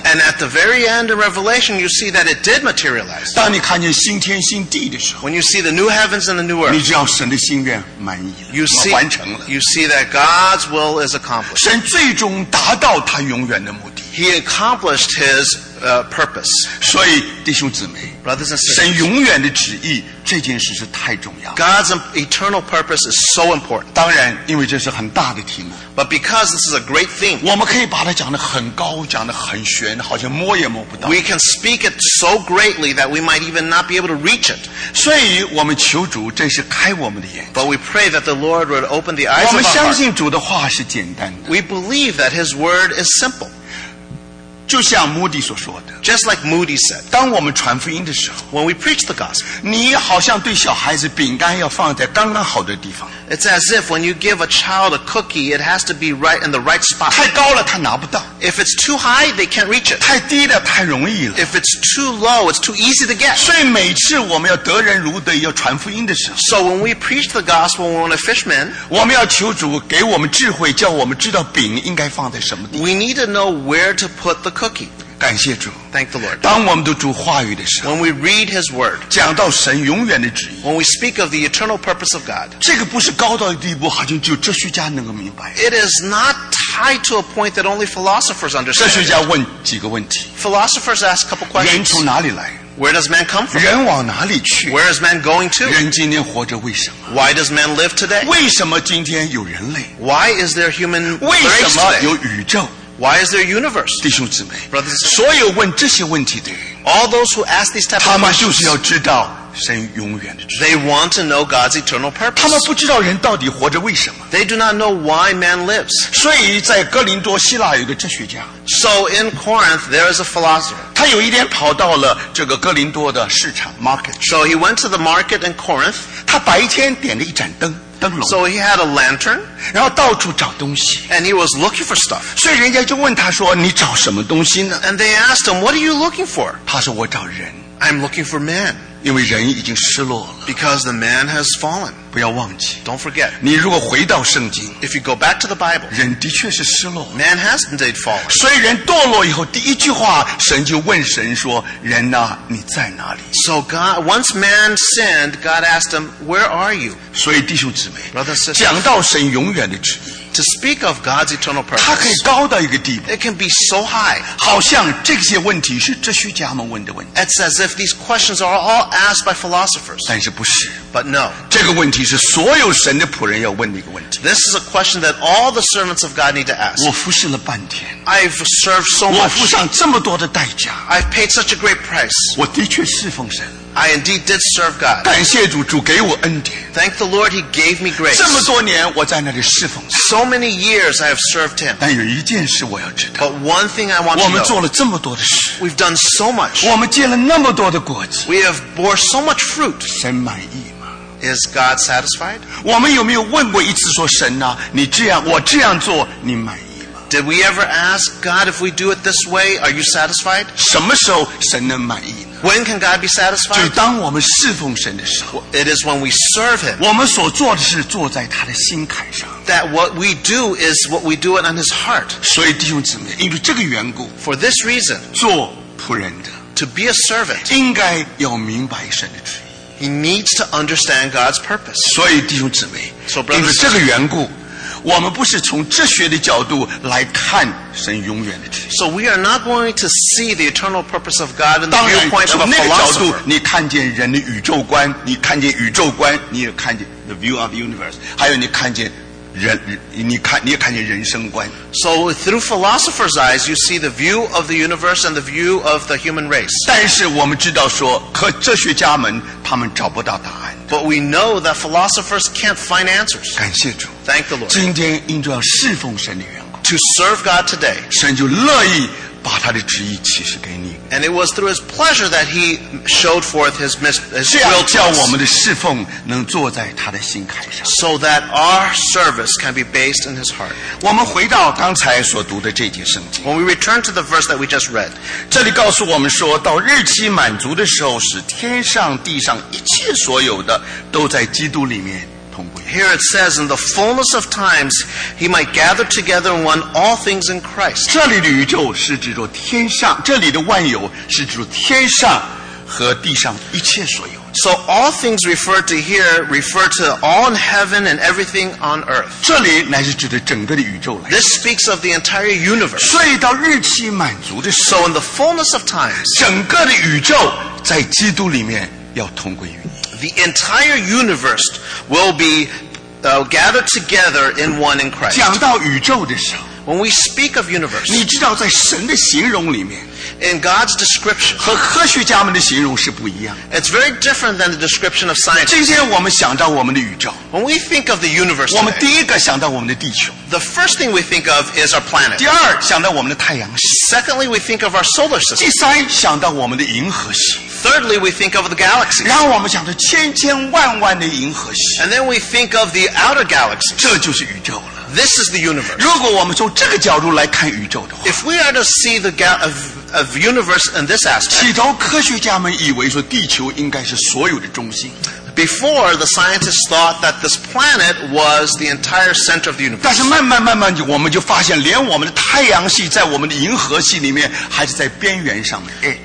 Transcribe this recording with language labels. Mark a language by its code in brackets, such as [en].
[en] And at the very end of Revelation, you see that it did materialize. [zh] 当你看见新天新地的时候 [en] ，When you see the new heavens and the new earth, [zh] 你知道神的心愿满意了， [en] you see, [zh] 完成了。 [en] You see that God's will is accomplished. [zh] 神最终达到他永远的目的。 [en] He accomplished his purpose. [zh] 所以弟兄姊妹 [en] ，Brothers and sisters, [zh] 神永远的旨意这件事是太重要了。 [en] God's eternal purpose is so important. [zh] 当然，因为这是很大的题目。 [en] But because this is a great thing, [zh] 我们可以把它讲得很高，讲得很玄，好像摸也摸不到。 [en] We can speak it so greatly that we might even not be able to reach it. [zh] 所以我们求主真是开我们的眼睛。 [en] But we pray that the Lord would open the eyes of our heart. [zh] 我们相信主的话是简单的。 [en] We believe that His word is simple. [zh] 就像 Moody 所说的 [en] Just like Moody said [zh] 当我们传福音的时候 [en] When we preach the gospel [zh] 你好像对小孩子饼干要放在刚刚好的地方 [en] It's as if when you give a child a cookie It has to be right in the right spot [zh] 太高了他拿不到 [en] If it's too high they can't reach it [zh] 太低了太容易了 [en] If it's too low it's too easy to get [zh] 所以每次我们要得人如得要传福音的时候 [en] So when we preach the gospel when we're a fisherman [zh] 我们要求主给我们智慧叫我们知道饼应该放在什么地方 [en] We need to know where to put the cookie [zh] 感谢主 [en] Thank the Lord. [zh] 当我们读主话语的时候 [en] When we read His word [zh] 讲到神永远的旨意 [en] When we speak of the eternal purpose of God [zh] 这个不是高到一地步好像只有哲学家能够明白 [en] It is not tied to a point that only philosophers understand [zh] 哲学家问几个问题 [en] Philosophers ask a couple questions [zh] 人从哪里来 [en] Where does man come from [zh] 人往哪里去 [en] Where is man going to [zh] 人今天活着为什么 [en] Why does man live today [zh] 为什么今天有人类 [en] Why is there human race [zh] 为什么有宇宙 [en] Why is there a universe? [zh] 弟兄姊妹 [en] Brothers, [zh] 所有问这些问题的人 [en] All those who ask these type of questions [zh] 他们就是要知道神永远的旨意 [en] They want to know God's eternal purpose [zh] 他们不知道人到底活着为什么 [en] They do not know why man lives [zh] 所以在哥林多希腊有个哲学家 [en] So in Corinth there is a philosopher [zh] 他有一天跑到了这个哥林多的市场 market [en] So he went to the market in Corinth [zh] 他白天点了一盏灯 [en] So he had a lantern, [zh] 然后到处找东西 [en] and he was looking for stuff. [zh] 所以人家就问他说你找什么东西呢 [en] And they asked him, what are you looking for? [zh] 他说我找人 [en] I'm looking for men. [zh] 因为人已经失落了。 [en] Because the man has fallen. [zh] 不要忘记。 [en] Don't forget. [zh] 你如果回到圣经。 [en] If you go back to the Bible. [zh] 人的确是失落。 [en] Man has indeed fallen. [zh] 所以人堕落以后第一句话神就问神说人啊你在哪里。 [en] So God, once man sinned, God asked him, where are you? [zh] 所以弟兄姊妹。 [en] Brother, sister, [zh] 讲到神永远的旨意。 [en] To speak of God's eternal purpose. [zh] 它可以高到一个地步。 [en] It can be so high. [zh] 好像这些问题是哲学家们问的问题。 [en] It's as if these questions are all asked by philosophers. [zh] 但是不是。 [en] But no. [zh] 这个问题是所有神的仆人要问的一个问题。 [en] This is a question that all the servants of God need to ask. [zh] 我服侍了半天。 [en] I've served so much. [zh] 我付上这么多的代价。 [en] I've paid such a great price. [zh] 我的确侍奉神。 [en] I indeed did serve God. [zh] 感谢主，主给我恩典。 [en] Thank the Lord, He gave me grace. [zh] 这么多年我在那里侍奉。 [en] So many years I have served Him. [zh] 但有一件事我要知道。 [en] But one thing I want to know. [zh] 我们做了这么多的事。 [en] We've done so much. [zh] 我们结了那么多的果子。 [en] We have bore so much fruit. [zh] 神满意吗？ [en] Is God satisfied? [zh] 我们有没有问过一次说神啊，你这样，我这样做，你满意？ [en] Did we ever ask God if we do it this way, are you satisfied? [zh] 什么时候神能满意呢? [en] When can God be satisfied? [zh] 就当我们侍奉神的时候。 [en] It is when we serve Him. [zh] 我们所做的是坐在他的心坎上。 [en] That what we do is what we do it on His heart. [zh] 所以弟兄姊妹，因为这个缘故。 [en] For this reason. [zh] 做仆人的。 [en] To be a servant. [zh] 应该要明白神的旨意。 [en] He needs to understand God's purpose. [zh] 所以弟兄姊妹。 [en] So brothers. [zh] 因为这个缘故。我们不是从哲学的角度来看神永远的旨意。 [en] So we are not going to see the eternal purpose of God in the viewpoint of a philosopher. [zh] 从那个角度，你看见人的宇宙观，你看见宇宙观，你也看见 [en] the view of the universe. [zh] 还有你看见人，你也看见人生观。 [en] So through philosophers' eyes, you see the view of the universe and the view of the human race. [zh] 但是我们知道说，和哲学家们他们找不到答案。 [en] But we know that philosophers can't find answers. [zh] 感谢主。 [en] Thank the Lord. [zh] 今天因着要侍奉神的缘故。 [en] To serve God today. [zh] 神就乐意把他的旨意启示给你。 [en] And it was through His pleasure that He showed forth His will to us. [zh] 这样叫我们的侍奉能坐在他的心坎上。 [en] So that our service can be based in His heart. [zh] 我们回到刚才所读的这节圣经。 [en] When we return to the verse that we just read. [zh] 这里告诉我们说到日期满足的时候使天上地上一切所有的都在基督里面。 [en] Here it says, in the fullness of times, he might gather together in one all things in Christ. [zh] 这里的宇宙是指着天上，这里的万有是指着天上和地上一切所有。 [en] So all things referred to here refer to all in heaven and everything on earth. [zh] 这里乃是指的整个的宇宙来。 [en] This speaks of the entire universe. [zh] 所以到日期满足的时候。 [en] So in the fullness of times, [zh] 整个的宇宙在基督里面要同归于你。 [en] The entire universe will be gathered together in one in Christ. [zh] 讲到宇宙的时候 [en] When we speak of universe, [zh] 你知道在神的形容里面 [en] In God's description, [zh] 和科学家们的形容是不一样 [en] It's very different than the description of science. [zh] 今天我们想到我们的宇宙 [en] When we think of the universe today, [zh] 我们第一个想到我们的地球 [en] The first thing we think of is our planet. [zh] 第二想到我们的太阳系 [en] Secondly, we think of our solar system. [zh] 第三想到我们的银河系 [en] Thirdly, we think of the galaxies. [zh] 然后我们想到千千万万的银河系。 [en] And then we think of the outer galaxies. [zh] 这就是宇宙了。 [en] This is the universe. [zh] 如果我们从这个角度来看宇宙的话。 [en] If we are to see the of universe in this aspect. [zh] 起初科学家们以为说地球应该是所有的中心。 [en] Before, the scientists thought that this planet was the entire center of the universe. [zh] 但是慢慢慢慢我们就发现连我们的太阳系在我们的银河系里面还是在边缘上面。